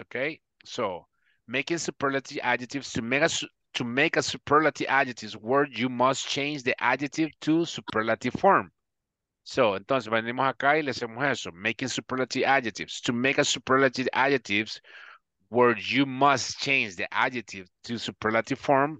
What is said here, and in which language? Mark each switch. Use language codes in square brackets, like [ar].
[en] Okay, so making superlative adjectives to make a superlative adjective word, you must change the adjective to superlative form. [es] So, entonces, venimos acá y le hacemos eso. [en] Making superlative adjectives. To make a superlative adjective word, you must change the adjective to superlative form.